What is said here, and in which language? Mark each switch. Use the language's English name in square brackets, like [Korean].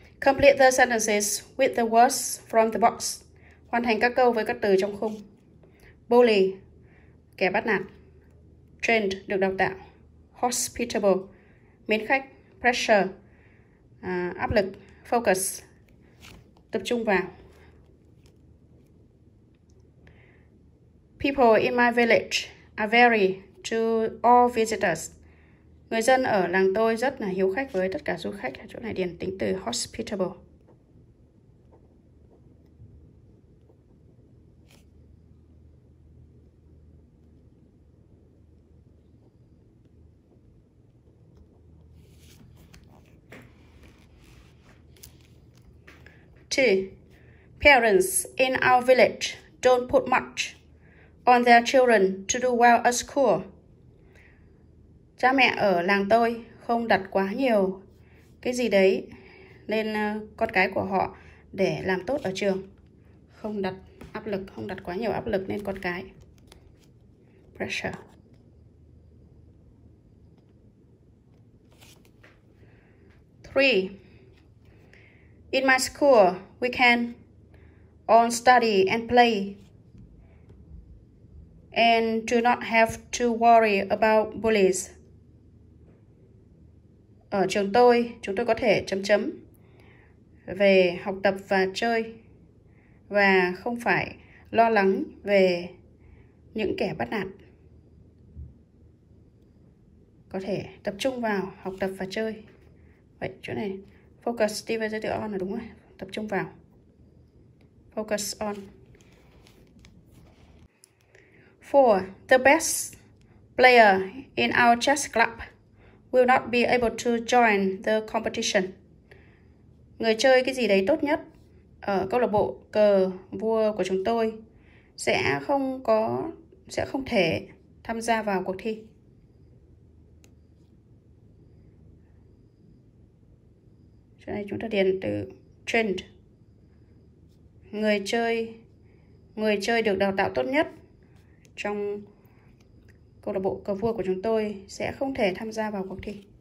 [English] Complete the sentences with the words from the box. [Vietnamese] Hoàn thành các câu với các từ trong khung. Bully, kẻ bắt nạt. Trained, được đào tạo. Hospitable, mến khách. Pressure, áp lực. Focus, tập trung vào. [English] People in my village are very to all visitors. [Vietnamese] Người dân ở làng tôi rất là hiếu khách với tất cả du khách. Chỗ này điền tính từ hospitable. [English] Two. Parents in our village don't put much on their children to do well at school. [Vietnamese] Cha mẹ ở làng tôi không đặt quá nhiều cái gì đấy lên con cái của họ để làm tốt ở trường. Không đặt áp lực, không đặt quá nhiều áp lực lên con cái. [English] Pressure. Three. In my school, we can all study and play and do not have to worry about bullies. [Vietnamese] Ở trường tôi, chúng tôi có thể chấm chấm về học tập và chơi và không phải lo lắng về những kẻ bắt nạt. Có thể tập trung vào học tập và chơi. Vậy chỗ này focus đi với giới tự on là đúng rồi. Tập trung vào. [English] Focus on. 4. The best player in our chess club will not be able to join the competition. [Vietnamese] Người chơi cái gì đấy tốt nhất ở câu lạc bộ cờ vua của chúng tôi sẽ không thể tham gia vào cuộc thi. Chỗ này chúng ta điền từ trained. Người chơi được đào tạo tốt nhất trong câu lạc bộ cờ vua của chúng tôi sẽ không thể tham gia vào cuộc thi.